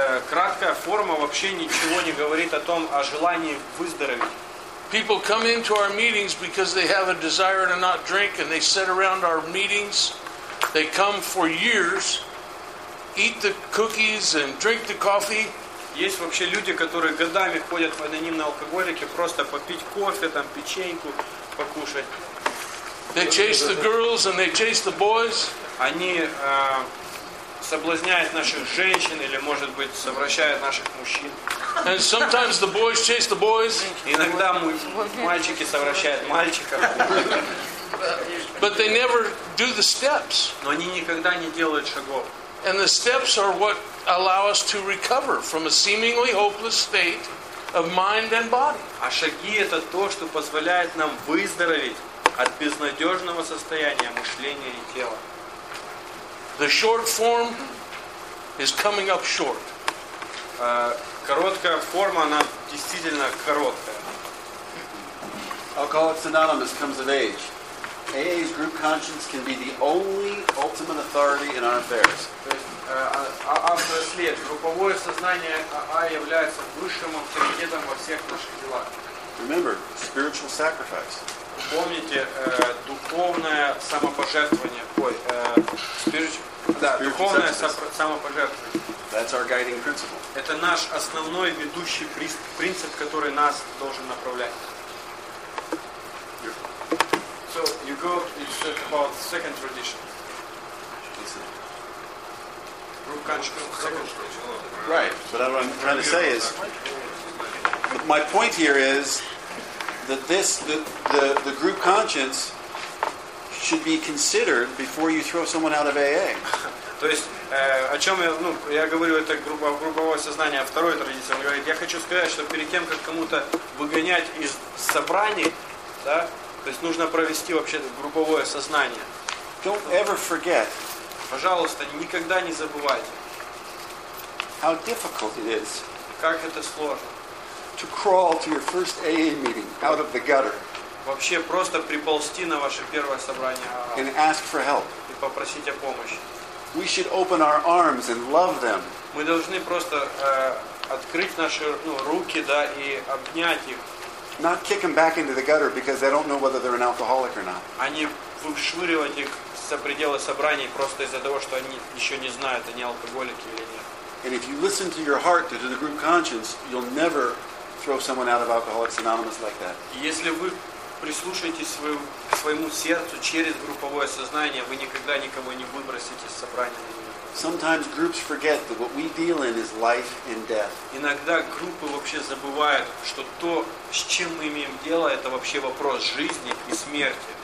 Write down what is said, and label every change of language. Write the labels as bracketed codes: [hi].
[ru] Краткая форма вообще ничего не говорит о том, о желании выздороветь. [en] People come into our meetings because they have a desire to not drink, and they sit around our meetings. They come for years. Eat the cookies and drink the coffee. [ru] Есть вообще люди, которые годами ходят в анонимные алкоголики просто попить кофе, там печеньку покушать. [en] They chase the girls and they chase the boys. [ru] Они соблазняют наших женщин или, может быть, совращают наших мужчин. [en] And sometimes the boys chase the boys. [ru] Иногда мальчики совращают мальчиков. [en] But they never do the steps. [ru] Но они никогда не делают шагов. [en] And the steps are what allow us to recover from a seemingly hopeless state of mind and body. [ru] А шаги это то, что позволяет нам выздороветь от безнадежного состояния мышления и тела. [en] The short form is coming up short. [ru] Короткая форма, она действительно короткая. [en] Alcoholics Anonymous comes of age. AA's group conscience can be the only ultimate authority in our affairs. [ru] Автор след. Групповое сознание АА является высшим авторитетом во всех наших делах. [en] Remember, spiritual sacrifice. [ru] Помните, духовное самопожертвование. Духовное самопожертвование. [en] That's our guiding principle. [ru] Это наш основной ведущий принцип, который нас должен направлять. [en] So you go, you talk about second tradition. Group conscious, second tradition. Right, but what I'm trying to say is, my point here is that this, the group conscience should be considered before you throw someone out of AA. [ru] То есть, о чем я, ну, я говорю, это групповое сознание, а второй традиция, он говорит, я хочу сказать, что перед тем, как кому-то выгонять из собраний, да, то есть нужно провести вообще групповое сознание. [en] Don't ever forget. [ru] Пожалуйста, никогда не забывайте. [en] How difficult it is. [ru] Как это сложно. [en] To crawl to your first AA meeting out of the gutter. [ru] Вообще просто приползти на ваше первое собрание. [en] And ask for help. [ru] И попросить о помощи. [en] We should open our arms and love them. [ru] Мы должны просто открыть наши, ну, руки, да, и обнять их. [en] Not kick them back into the gutter because they don't know whether they're an alcoholic or not. [ru] Они вышвыривать их за пределы собраний просто из-за того, что они еще не знают, они алкоголики или нет. [en] And if you listen to your heart, to the group conscience, you'll never throw someone out of Alcoholics Anonymous like that. [ru] Если вы прислушаетесь своему сердцу через групповое сознание, вы никогда никого не выбросите из собрания. [en] Sometimes groups forget that what we deal in is life and death. [ru] Иногда группы вообще забывают, что то, с чем мы имеем дело, это вообще вопрос жизни и смерти.